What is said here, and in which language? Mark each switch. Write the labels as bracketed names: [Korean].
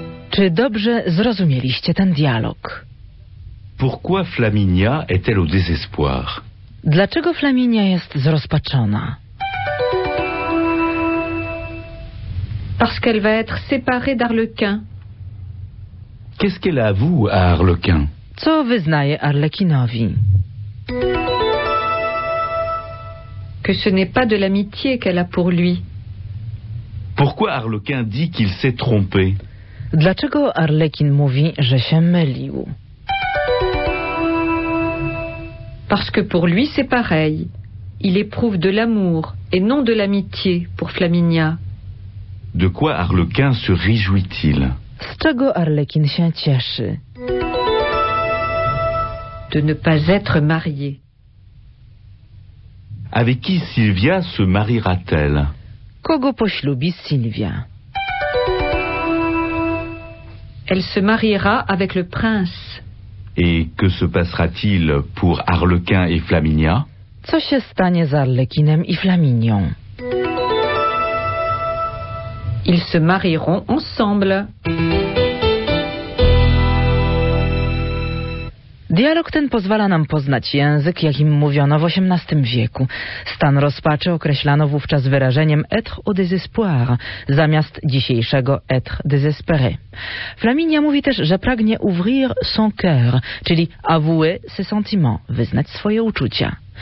[Polish] Czy dobrze zrozumieliście ten dialog? [French] Pourquoi Flaminia est-elle au désespoir? [Polish] Dlaczego Flaminia jest zrozpaczona? [French] Parce qu'elle va être séparée d'Arlequin. Qu'est-ce qu'elle avoue à Arlequin? [Polish] Co wyznaje Arlekinowi? [French] Que ce n'est pas de l'amitié qu'elle a pour lui. Pourquoi Arlequin dit qu'il s'est trompé? [Polish] Dlaczego Arlekin mówi, że się mylił? [French] Parce que pour lui c'est pareil. Il éprouve de l'amour et non de l'amitié pour Flaminia. De quoi Arlequin se réjouit-il? [Polish] Z czego Arlequin się cieszy? [French] De ne pas être marié. Avec qui Sylvia se mariera-t-elle? [Polish] Kogo poślubi Sylvia? [French] Elle se mariera avec le prince. Et que se passera-t-il pour Arlequin et Flaminia? [Polish] Co się stanie z Arlequinem i Flaminią? [French] Ils se marieront ensemble. [Polish] Dialog ten pozwala nam poznać język, jakim mówiono w XVIII wieku. Stan rozpaczy określano wówczas wyrażeniem [French] être au désespoir, [Polish] zamiast dzisiejszego [French] être désespéré. [Polish] Flaminia mówi też, że pragnie [French] ouvrir son cœur, [Polish] czyli [French] avouer ses sentiments, [Polish] wyznać swoje uczucia.